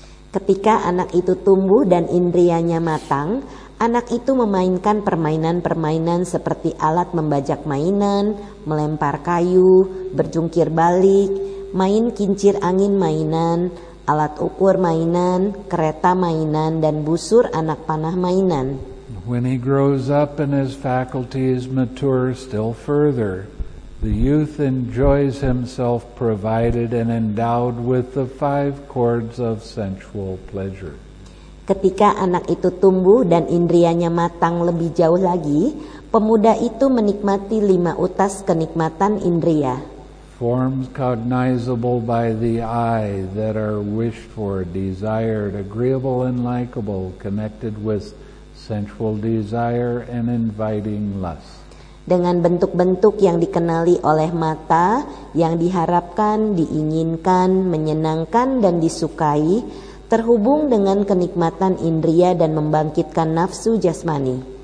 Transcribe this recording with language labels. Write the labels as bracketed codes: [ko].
[id] Ketika anak itu tumbuh dan indrianya matang, anak itu memainkan permainan-permainan seperti alat membajak mainan, melempar kayu, berjungkir balik, main kincir angin mainan, alat ukur mainan, kereta mainan, dan busur anak panah mainan. [en] When he grows up and his faculties mature still further, the youth enjoys himself provided and endowed with the 5 chords of sensual pleasure. [id] Ketika anak itu tumbuh dan indrianya matang lebih jauh lagi, pemuda itu menikmati 5 utas kenikmatan indria. [en] Forms cognizable by the eye that are wished for, desired, agreeable and likable, connected with sensual desire and inviting lust. [id] Dengan bentuk-bentuk yang dikenali oleh mata, yang diharapkan, diinginkan, menyenangkan dan disukai, terhubung dengan kenikmatan indria dan membangkitkan nafsu jasmani.